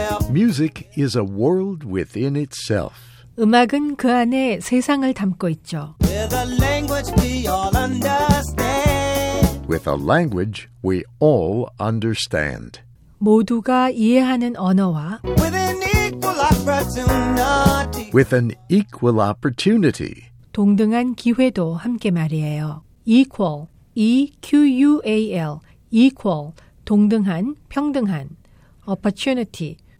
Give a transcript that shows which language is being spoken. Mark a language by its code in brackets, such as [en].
[en] Music is a world within itself. [ko] 음악은 그 안에 세상을 담고 있죠. [en] With a language we all understand. With a language we all understand. [ko] 모두가 이해하는 언어와 [en] With an equal opportunity. With an equal opportunity. [ko] 동등한 기회도 함께 말이에요. [en] Equal, E-Q-U-A-L, equal, [ko] 동등한, 평등한, [en] opportunity.